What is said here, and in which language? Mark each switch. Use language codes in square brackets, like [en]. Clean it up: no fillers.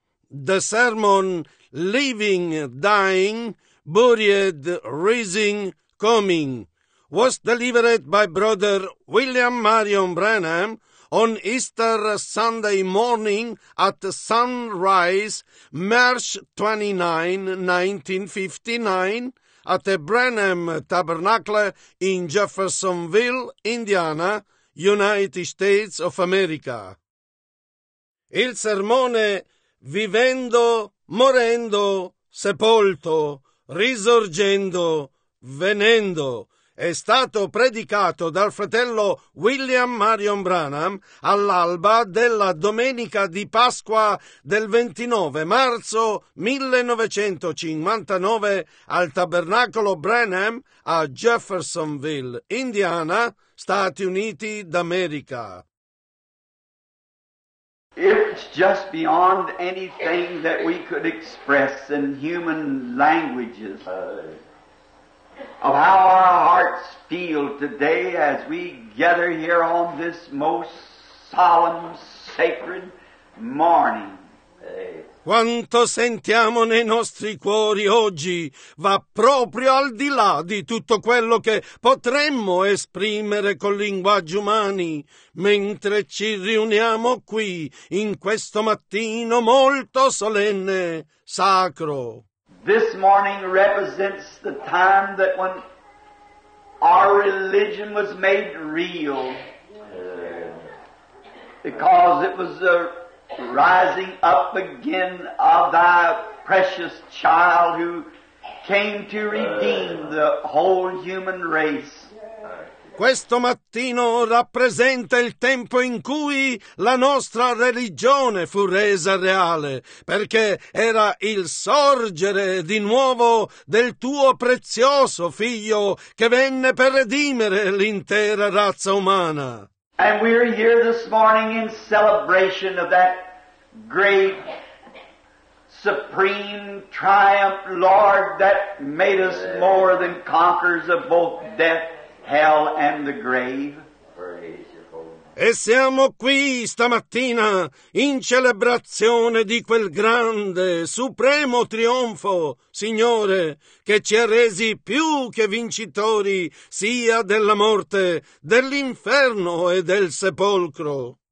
[en] the sermon Living, Dying, Buried, Rising, Coming was delivered by Brother William Marion Branham on Easter Sunday morning at sunrise, March 29, 1959, at the Branham Tabernacle in Jeffersonville, Indiana, United States of America. [it] Il sermone Vivendo, Morendo, Sepolto, Risorgendo, Venendo è stato predicato dal fratello William Marion Branham all'alba della domenica di Pasqua del 29 marzo 1959 al Tabernacolo Branham a Jeffersonville, Indiana, Stati Uniti d'America. [en] It's just beyond anything that we could express in human languages of how our hearts feel today as we gather here on this most solemn, sacred morning. [it] Quanto sentiamo nei nostri cuori oggi va proprio al di là di tutto quello che potremmo esprimere con linguaggi umani, mentre ci riuniamo qui in questo mattino molto solenne, sacro. [en] This morning represents the time that when our religion was made real, because it was a rising up again of thy precious child who came to redeem the whole human race. [it] Questo mattino rappresenta il tempo in cui la nostra religione fu resa reale, perché era il sorgere di nuovo del tuo prezioso figlio che venne per redimere l'intera razza umana. [en] And we are here this morning in celebration of that great supreme triumph, Lord, that made us more than conquerors of both death, hell and the grave. [it] E siamo qui stamattina in celebrazione di quel grande, supremo trionfo, Signore, che ci ha resi più che vincitori sia della morte, dell'inferno e del sepolcro.